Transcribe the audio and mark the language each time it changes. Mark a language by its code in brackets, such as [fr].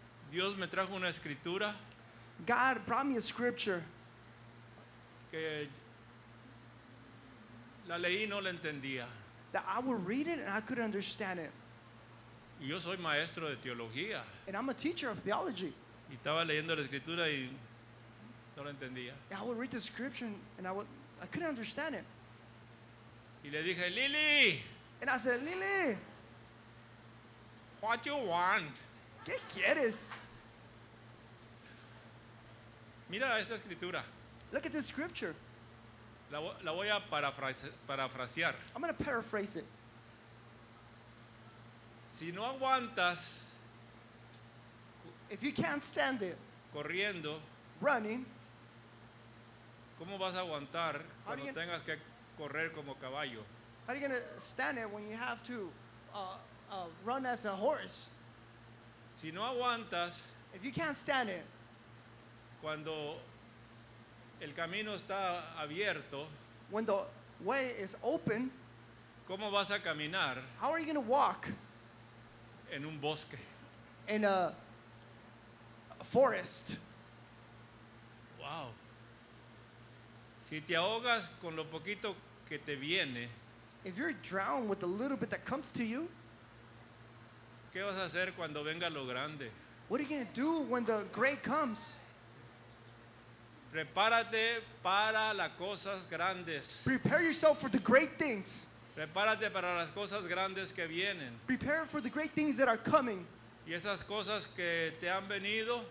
[es] Dios me trajo una escritura. [en] God brought me a scripture. [es] Que la leí y no la entendía. [en] That I would read it and I couldn't understand it. [es] Y yo soy maestro de teología. [en] And I'm a teacher of theology. [es] Y estaba leyendo la escritura y no la entendía. [en] And I would read the scripture and I couldn't understand it. [es] Y le dije, Lily. [en] And I said, Lily. What do you want? [es] ¿Qué quieres? Mira esta escritura. [en] Look at this scripture. [es] La voy a parafrasear. [en] I'm going to paraphrase it. [es] Si no aguantas, [en] if you can't stand it, [es] corriendo, [en] running, [es] ¿cómo vas a aguantar cuando tengas que correr como caballo? [en] How are you going to stand it when you have to run as a horse? [es] Si no aguantas, [en] if you can't stand it, [es] cuando el camino está abierto, [en] when the way is open, [es] ¿cómo vas a caminar? [en] How are you going to walk? [es] En un bosque. [en] In a forest. Wow. [es] Si te ahogas con lo poquito que te viene, [en] if you're drowned with the little bit that comes to you, [es] ¿qué vas a hacer cuando venga lo grande? [en] What are you going to do when the great comes? [es] Prepárate para las cosas grandes. [en] Prepare yourself for the great things. [es] Prepárate para las cosas grandes que vienen. [en] Prepare for the great things that are coming. [es] Y esas cosas que te han venido.